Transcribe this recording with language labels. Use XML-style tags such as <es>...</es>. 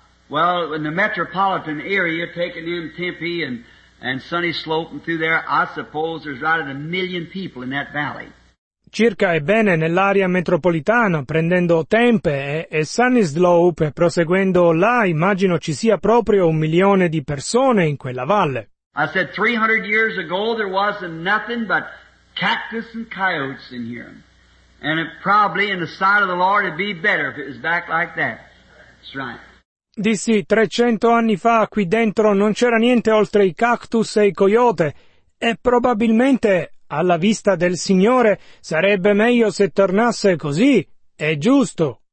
<en>Well, in the metropolitan area, taking in Tempe and Sunny Slope and through there, I suppose there's right at 1 million people in that valley.</en> <it>Circa ebbene nell'area metropolitana, prendendo Tempe e Sunny Slope, proseguendo là, immagino ci sia proprio 1 milione di persone in quella valle.</it> <en>I said 300 years ago there wasn't nothing but cactus and coyotes in here. And it probably in the sight of the Lord it'd be better if it was back like that. That's right.</en> <it>Dissi, 300 anni fa qui dentro non c'era niente oltre i cactus e i coyote, e probabilmente, alla vista del Signore, sarebbe meglio se tornasse così, è giusto.</it>